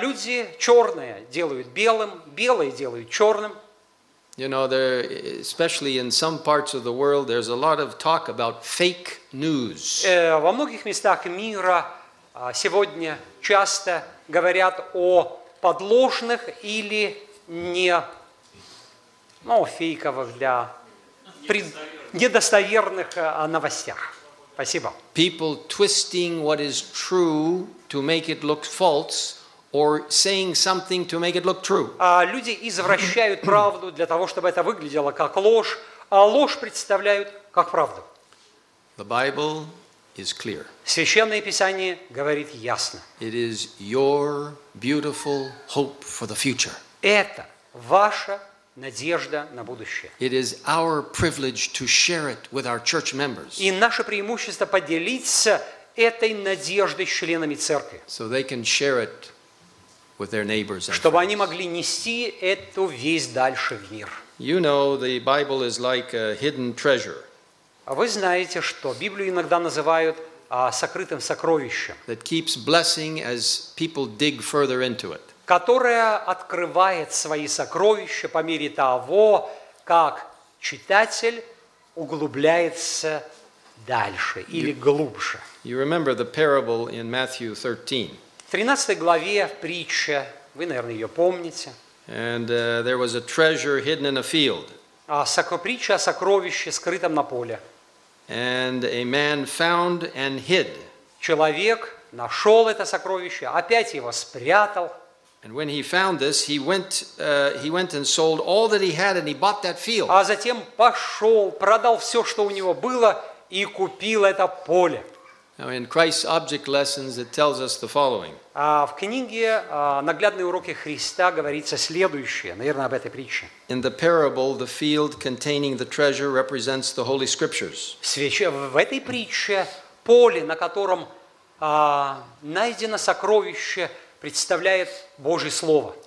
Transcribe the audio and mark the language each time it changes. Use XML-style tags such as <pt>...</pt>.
<ru>Люди чёрное делают белым, белое делают чёрным.</ru> <en>You know, there, especially in some parts of the world, there's a lot of talk about fake news.</en> <ru>Во многих местах мира сегодня часто говорят о подложных или не, ну, фейковых для недостоверных новостях. Спасибо.</ru> <en>People twisting what is true to make it look false, or saying something to make it look true.</en> <ru>Люди извращают правду для того, чтобы это выглядело как ложь, а ложь представляют как правду.</ru> <en>The Bible is clear.</en> <ru>Священное Писание говорит ясно.</ru> <en>It is your beautiful hope for the future.</en> <ru>Это ваша надежда на будущее.</ru> <en>It is our privilege to share it with our church members.</en> <ru>И наше преимущество поделиться этой надеждой с членами церкви.</ru> <en>So they can share it with their neighbors.</en> <ru>Чтобы они могли нести эту весть дальше в мир.</ru> <en>You know, the Bible is like a hidden treasure.</en> <ru>Вы знаете, что Библию иногда называют сокрытым сокровищем.</ru> <en>That keeps blessing as people dig further into it.</en> <ru>Которая открывает свои сокровища по мере того, как читатель углубляется дальше или глубже.</ru> <en>You remember the parable in Matthew 13.</en> <ru>В 13 главе притча, вы, наверное, ее помните.</ru> <en>And there was a treasure hidden in a field.</en> <ru>Притча о сокровище, скрытом на поле.</ru> <en>And a man found and hid.</en> <ru>Человек нашел это сокровище, опять его спрятал.</ru> <en>And when he found this, he went and sold all that he had, and he bought that field.</en> <ru>А затем пошел, продал все, что у него было, и купил это поле.</ru> <en>Now, in Christ's object lessons, it tells us the following.</en> <ru>В книге «Наглядные уроки Христа» говорится следующее, наверное, об этой притче.</ru> <en>In the parable, the field containing the treasure represents the Holy Scriptures.</en> <ru>В этой притче поле, на котором найдено сокровище, представляет Божье Слово.</ru>